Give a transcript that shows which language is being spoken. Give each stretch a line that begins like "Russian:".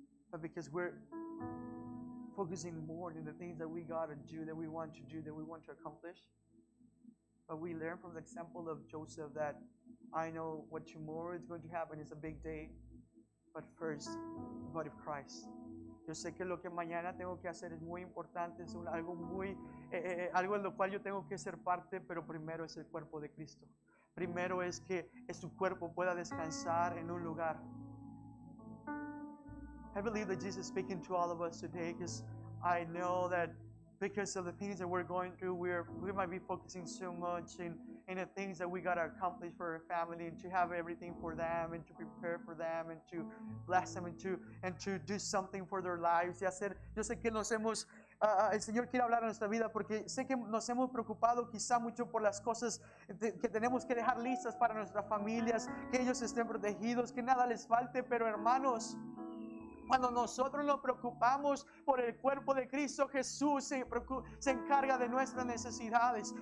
English: but because we're focusing more on the things that we gotta do, that we want to do, that we want to accomplish. But we learn from the example of Joseph that I know what tomorrow is going to happen is a big day, but first, the body of Christ.
Spanish: Yo sé que lo que mañana tengo que hacer es muy importante, es algo muy, algo en lo cual yo tengo que ser parte, pero primero es el cuerpo de Cristo. Primero es que su cuerpo pueda descansar en un lugar.
English: I believe that Jesus is speaking to all of us today because I know that because of the things that we're going through, we might be focusing so much in the things that we got to accomplish for our family and to have everything for them and to prepare for them and to bless them and to do something for their lives.
Spanish: Y hacer, yo sé que nos hemos, el Señor quiere hablar en nuestra vida porque sé que nos hemos preocupado quizá mucho por las cosas que tenemos que dejar listas para nuestras familias, que ellos estén protegidos, que nada les falte, pero hermanos, cuando nosotros nos preocupamos por el cuerpo de Cristo, Jesús se encarga de nuestras necesidades.